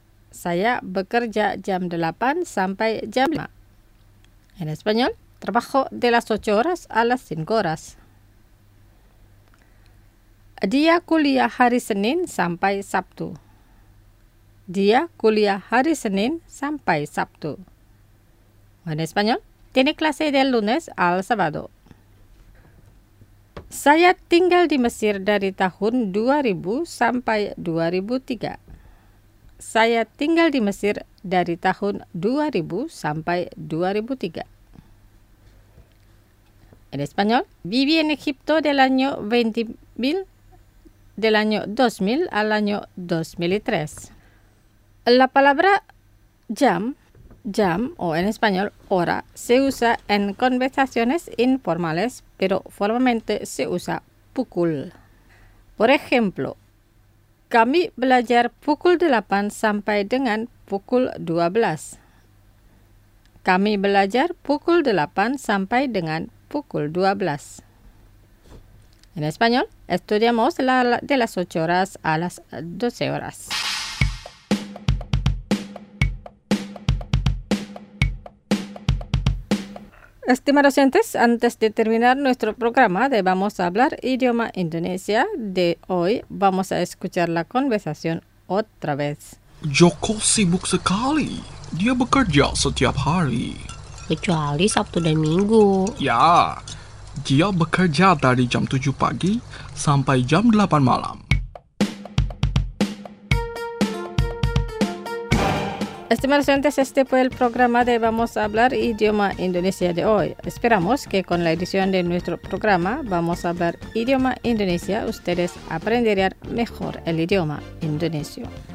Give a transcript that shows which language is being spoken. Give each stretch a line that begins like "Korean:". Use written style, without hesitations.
Indonesian: Saya bekerja jam 8 sampai jam 5.
Spanish: En español, trabajo de las 8 horas a las 5 horas.
Indonesian: Dia kuliah hari Senin sampai Sabtu. Dia kuliah hari Senin sampai Sabtu.
Spanish: En español, tiene clase de lunes al sábado.
Indonesian: Saya tinggal di Mesir dari tahun 2000 sampai 2003. Saya tinggal di Mesir dari tahun 2000 sampai 2003.
Spanish: En español, viví en Egipto del año 2000 al año 2003. La palabra jam o en español hora se usa en conversaciones informales, pero formalmente se usa pukul. Por ejemplo,
Indonesian: kami belajar pukul 8 sampai dengan pukul 12. Kami belajar pukul 8 sampai dengan pukul 12.
Spanish: En español, estudiamos de las 8 horas a las 12 horas. Estimados oyentes, antes de terminar nuestro programa de Vamos a hablar idioma indonesia de hoy, vamos a escuchar la conversación otra vez.
Indonesian: Joko sibuk sekali. Dia bekerja setiap hari. Kecuali Sabtu dan Minggu. Ya, dia bekerja dari jam 7 pagi sampai jam 8 malam.
Spanish: Estimados oyentes, este fue el programa de Vamos a Hablar Idioma Indonesia de hoy. Esperamos que con la edición de nuestro programa Vamos a Hablar Idioma Indonesia, ustedes aprenderán mejor el idioma indonesio.